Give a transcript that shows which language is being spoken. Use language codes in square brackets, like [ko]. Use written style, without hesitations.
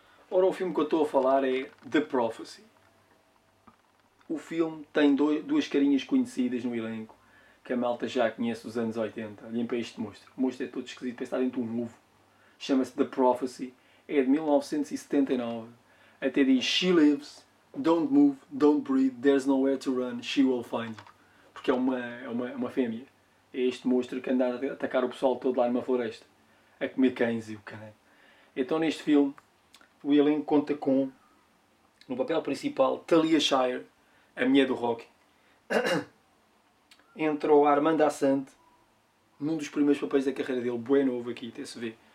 [pt] Ora, o filme que eu estou a falar é The Prophecy. O filme tem duas carinhas conhecidas no elenco, que a malta já conhece dos anos 80. Olhem para este monstro. O monstro é todo esquisito, parece estar dentro de um ovo. Chama-se The Prophecy, é de 1979. Até diz, [en] she lives, don't move, don't breathe, there's nowhere to run, she will find you. [pt] Porque é uma fêmea. É este monstro que anda a atacar o pessoal todo lá numa floresta. A comer cães e o cão. Então neste filme, o elenco conta com, no papel principal, Talia Shire, a mulher do Rock. Entrou a Armand Assant, num dos primeiros papéis da carreira dele, bué novo aqui, até se vê.